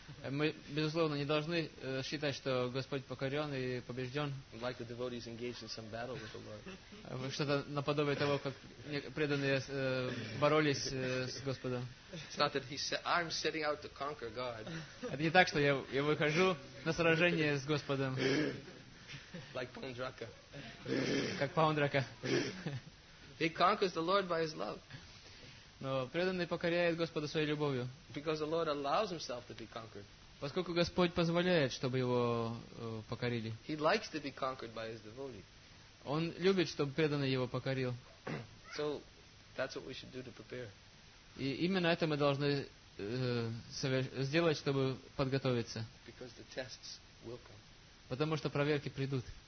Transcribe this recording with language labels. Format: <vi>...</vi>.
<ru>Мы, безусловно, не должны считать, что Господь покорен и побежден.</ru> <en>Like the devotees engaged in some battle with the Lord.</en> <ru>Что-то наподобие того, как преданные боролись с Господом.</ru> <en>It's not that he said, I'm setting out to conquer God.</en> <ru>Это не так, что я выхожу на сражение с Господом.</ru> <en>Like Paundraka.</en> <ru>Как Паундрака.</ru> <en>He conquers the Lord by his love.</en> <ru>Но преданный покоряет Господа своей любовью.</ru> <en>Because the Lord allows himself to be conquered.</en> <ru>Поскольку Господь позволяет, чтобы его покорили.</ru> <en>He likes to be conquered by his devotee.</en> <ru>Он любит, чтобы преданный его покорил.</ru> <en>So that's what we should do to prepare.</en> <ru>И именно это мы должны сделать, чтобы подготовиться.</ru> <en>Because the tests will come.</en> <ru>Потому что проверки придут.</ru>